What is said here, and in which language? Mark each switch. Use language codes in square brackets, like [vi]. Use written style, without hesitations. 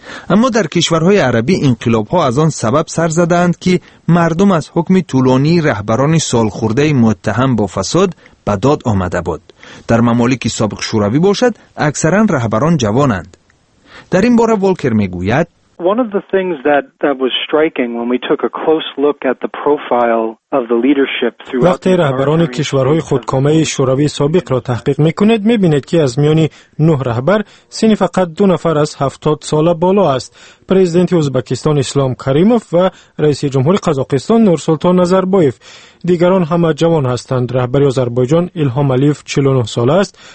[fa] اما در کشورهای عربی انقلاب ها از آن سبب سر زدند که مردم از حکم طولانی رهبران سال خورده متهم با فساد به داد آمده بود. در ممالک سابق شوروی باشد اکثرا رهبران جوانند. در این باره والکر می گوید [en] One of the things that was striking when we took a close look at the profile of the leadership throughout [fa] وقتی رهبران کشورهای خودکامه شوروی سابق را تحقیق میکنید، میبینید که از میان 9 رهبر سن فقط 2 نفر از 70 سال بالا است. پرزیدنت ازبکستان اسلام کریموف و رئیس جمهور قزاقستان نورسلطان نظربایف. دیگران همه جوان هستند. رهبر آذربایجان الهام علیف 49 سال است.